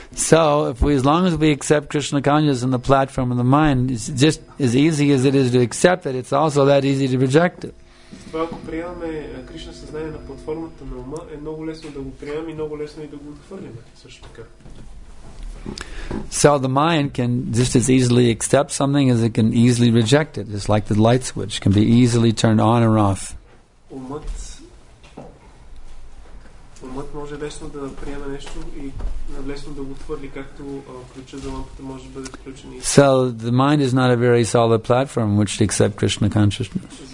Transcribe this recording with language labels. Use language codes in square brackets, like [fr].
[en] So, if we, as long as we accept Krishna consciousness in the platform of the mind, it's just as easy as it is to accept it, it's also that easy to reject it. [bg] Ако приемаме Кришна съзнание на платформата на ума, е много лесно да го приемем и много лесно и да го отхвърлим също така. [en] So the mind can just as easily accept something as it can easily reject it. It's like the light switch can be easily turned on or off. [bg] Умът може лесно да приеме нещо и лесно да го отхвърли, както ключа за лампата може да бъде включен. [en] So the mind is not a very solid platform in which to accept Krishna consciousness.